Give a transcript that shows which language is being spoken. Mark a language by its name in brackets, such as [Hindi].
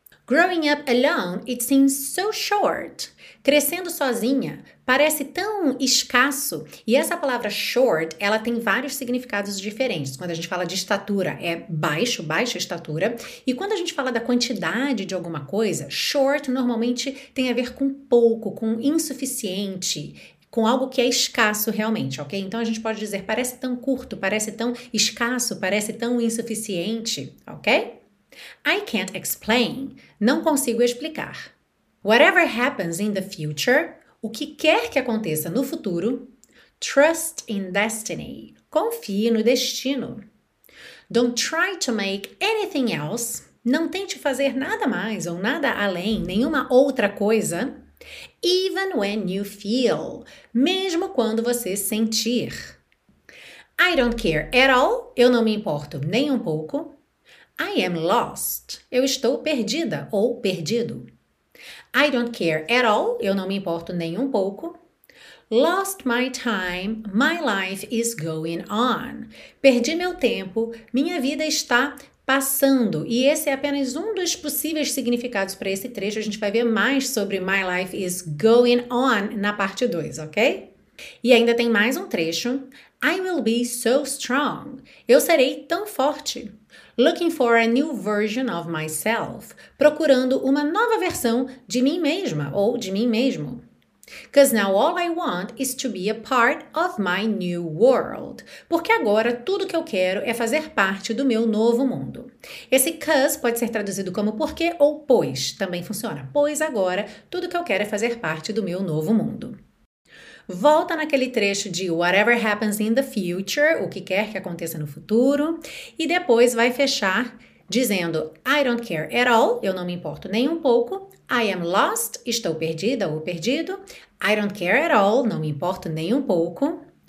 [English] Growing up alone, it seems so short. [Portuguese] Crescendo sozinha parece tão escasso. E essa palavra short, ela tem vários significados diferentes. Quando a gente fala de estatura, é baixo, baixa estatura. E quando a gente fala da quantidade de alguma coisa, short normalmente tem a ver com pouco, com insuficiente, com algo que é escasso realmente, ok? Então a gente pode dizer, parece tão curto, parece tão escasso, parece tão insuficiente, ok? [English] I can't explain. [Portuguese] Não consigo explicar. [English] Whatever happens in the future, [Portuguese] o que quer que aconteça no futuro, [English] trust in destiny. [Portuguese] Confie no destino. [English] Don't try to make anything else. [Portuguese] Não tente fazer nada mais ou nada além, nenhuma outra coisa. [English] Even when you feel. [Portuguese] Mesmo quando você sentir. [English] I don't care at all. [Portuguese] Eu não me importo nem um pouco. [English] I am lost. [Portuguese] Eu estou perdida ou perdido. [English] I don't care at all. [Portuguese] Eu não me importo nem um pouco. [English] Lost my time. My life is going on. [Portuguese] Perdi meu tempo. Minha vida está passando. E esse é apenas um dos possíveis significados para esse trecho. A gente vai ver mais sobre [English] My life is going on [Portuguese] na parte 2, ok? E ainda tem mais um trecho. [English] I will be so strong. [Portuguese] Eu serei tão forte. [English] Looking for a new version of myself. [Portuguese] Procurando uma nova versão de mim mesma ou de mim mesmo. [English] Because now all I want is to be a part of my new world. [Portuguese] Porque agora tudo que eu quero é fazer parte do meu novo mundo. Esse 'cause' pode ser traduzido como porque ou pois. Também funciona. Pois agora tudo que eu quero é fazer parte do meu novo mundo. Volta naquele trecho de [English] whatever happens in the future, [Portuguese] o que quer que aconteça no futuro, e depois vai fechar dizendo [English] I don't care at all, [Portuguese] eu não me importo nem um pouco, [English] I am lost, [Portuguese] estou perdida ou perdido, [English] I don't care at all, [Portuguese] não me importo nem um pouco,